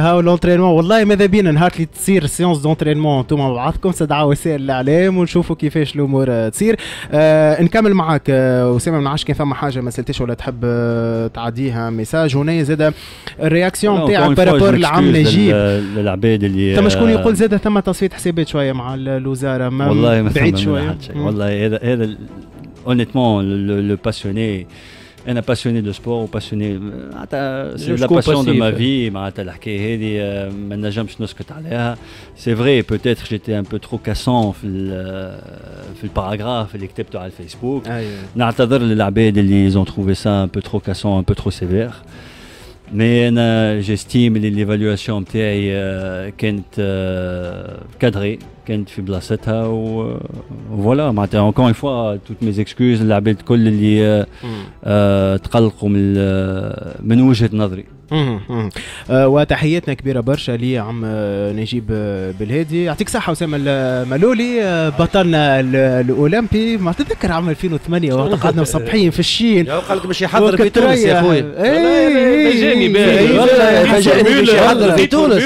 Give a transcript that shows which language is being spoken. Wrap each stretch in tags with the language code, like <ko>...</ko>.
<ar>هاو لونترينمون والله ماذا بينا نهار اللي تصير سيونس دونترينمون انتم مع بعضكم سدعوا وسائل الاعلام ونشوفوا كيفاش الامور تصير. نكمل معاك اسامه من عاش كان فما حاجه ما سالتش ولا تحب تعديها ميساج هنا زاد الرياكسيون تاعك بارابور العم نجيب للعباد اللي ثم شكون يقول زاد ثم تصفيه حسابات شويه مع الوزاره ما بعيد شويه. والله هذا</ar> <fr>honnêtement le passionné un passionné de sport ou passionné c'est la passion de ma vie</fr> <ar>معناتها الحكاية هذه ما نجمش نسكت عليها.</ar> <fr>C'est vrai peut-être j'étais un peu trop cassant</fr> <ar>في الباراغراف اللي كتبته على الفيسبوك. نعتذر للعباد اللي</ar> <fr>ont trouvé ça un peu trop cassant un peu trop sévère mais</fr> <ar>انا</ar> <fr>j'estime les évaluations</fr> <ar>بتاعي كانت</ar> <fr>cadrée</fr> <ar>كانت في بلاصتها و فوالا معناتها</ar> <fr>encore une fois toutes mes excuses</fr> <ar>للعباد كل اللي تقلقوا من وجهه نظري. وتحياتنا كبيره برشا لي عم نجيب بالهادي يعطيك صحه اسامه المالولي بطلنا الاولمبي ما تذكر عام 2008 وقت قعدنا مصبحين في الشين قال لك باش يحضر في تونس يا خويا فاجاني باش يحضر في تونس</ar>